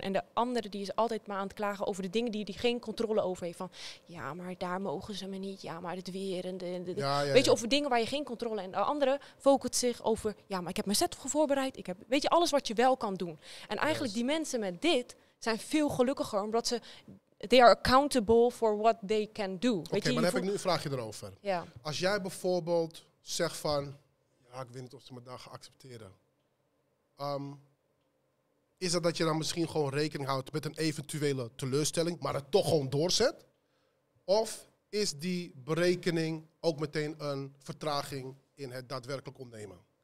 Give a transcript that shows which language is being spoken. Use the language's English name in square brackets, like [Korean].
[Dutch] En de andere die is altijd maar aan het klagen over de dingen die hij geen controle over heeft. Van, ja, maar daar mogen ze me niet. Ja, maar het weer. En de. Weet je, over dingen waar je geen controle hebt. En de andere focust zich over, ja, maar ik heb mijn set voorbereid. Ik heb, weet je, alles wat je wel kan doen. En eigenlijk die mensen met dit zijn veel gelukkiger, omdat ze... [English] They are accountable for what they can do. [Dutch] Oké, maar dan heb ik nu een vraagje erover. Ja. Als jij bijvoorbeeld zegt van... Ja, ik weet niet of ze me daar gaan accepteren. Is dat je dan misschien gewoon rekening houdt met een eventuele teleurstelling... maar het toch gewoon doorzet? Of is die berekening ook meteen een vertraging in het daadwerkelijk ondernemen?